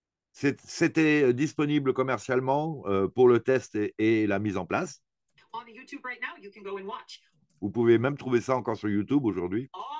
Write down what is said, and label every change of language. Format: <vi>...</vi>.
<fr>C'était disponible commercialement pour le test et la mise en place.</fr> <en>On YouTube right now, you can go and watch.</en> <fr>Vous pouvez même trouver ça encore sur YouTube aujourd'hui.</fr>